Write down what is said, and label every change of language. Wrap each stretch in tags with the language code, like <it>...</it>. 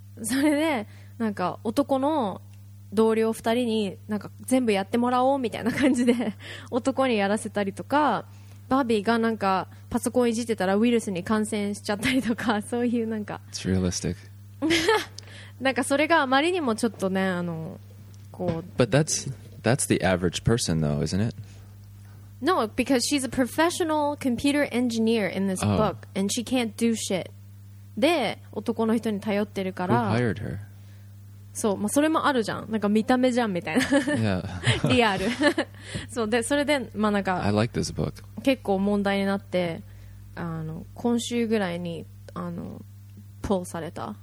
<ja>それでなんか男の同僚2人になんか全部やってもらおうみたいな感じで男にやらせたりとか、バービーがなんかパソコンいじってたらウイルスに感染しちゃったりとか、そういうなんか</ja> <en>It's realistic.</en> <ja>なんかそれがあまりにもちょっとね、あのこう、</ja> <en>But that's the average person though, isn't it? No, because she's a professional computer engineer in this book、oh. and she can't do shit.</en> <ja>で男の人に頼ってるから、</ja> <en>Who hired her?</en> <ja>そう、まあ、それもあるじゃん、なんか見た目じゃんみたいな、</ja> <en>yeah.</en> <ja>リアルそうで、それで、まあ、なんか</ja> <en>I like this book.</en> <ja>結構問題になって、あの今週ぐらいにあのポールされた</ja>